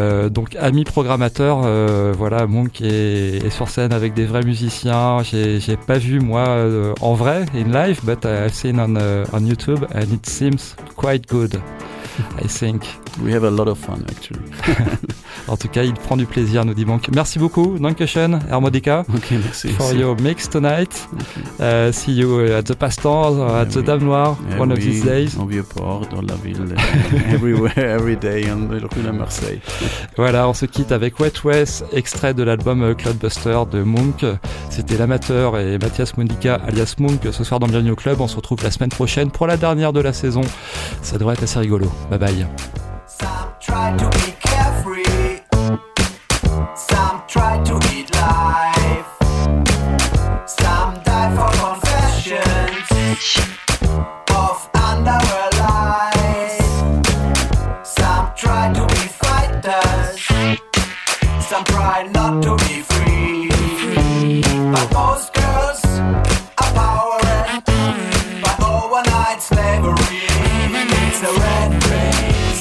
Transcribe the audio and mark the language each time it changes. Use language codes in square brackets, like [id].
[fr] Donc ami programmateur, voilà, Monk est sur scène avec des vrais musiciens. J'ai pas vu moi en vrai [en] in live, but seen on YouTube, and it seems quite good, I think. We have a lot of fun, actually. [fr] En tout cas, il prend du plaisir, nous dit Monk. Merci beaucoup, [de] Dankeschön, [fr] Harmonica, okay, merci, [en] for your mix tonight. Okay. See you at the Pastors, at the Dame Noire, one of these days. [fr] On vieux port, dans la ville, [en] everywhere, every day, on the [fr] rue de Marseille. Voilà, on se quitte avec Wet West, extrait de l'album Cloudbuster de Monk. C'était l'amateur et Mathias Monica, alias Monk, ce soir dans Bienvenue au Club. On se retrouve la semaine prochaine pour la dernière de la saison. Ça devrait être assez rigolo. Bye bye. [en] Some try to be carefree, some try to eat life, some die for confessions of underwear lies, some try to be fighters, some try not to be free, but most girls are power and but overnight slavery, it's a red dream.